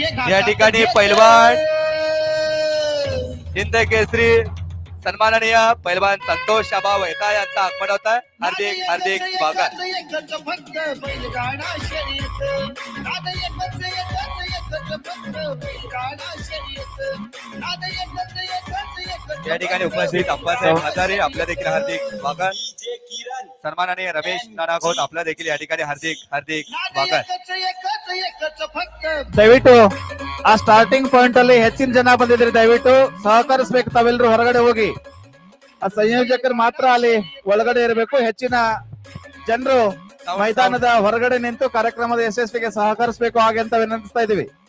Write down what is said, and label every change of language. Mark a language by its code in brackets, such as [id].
[mr] या ठिकाणी पहलवान जिंद केसरी सन्माननीय पहलवान संतोष शाबा वहता यांचं आगमन होत आहे। हार्दिक हार्दिक स्वागत। या ठिकाणी उपस्थित अप्पासाहेब हजारे आपल्या देखील हार्दिक स्वागत। सन्माननीय रमेश नानागोट आपल्या देखील या ठिकाणी हार्दिक हार्दिक स्वागत। [kn] दयविट्टु आ स्टार्टिंग पॉइंट अल्ली हेच्चिन जन बंदिद्दीरि दयविट्टु सहकरिसबेकु तावेल्लरू होरगडे होगि ಆ ಸಂಯೋಜಕರು ಮಾತ್ರ ಅಲ್ಲಿ ಒಳಗಡೆ ಇರಬೇಕು ಹೆಚ್ಚಿನ ಜನರು ಮೈದಾನದ ಹೊರಗಡೆ ನಿಂತು ಕಾರ್ಯಕ್ರಮದ ಯಶಸ್ಸಿಗೆ ಸಹಕರಿಸಬೇಕು ಹಾಗೆ ಅಂತ ವಿನಂತಿಸ್ತಾ ಇದ್ದೀವಿ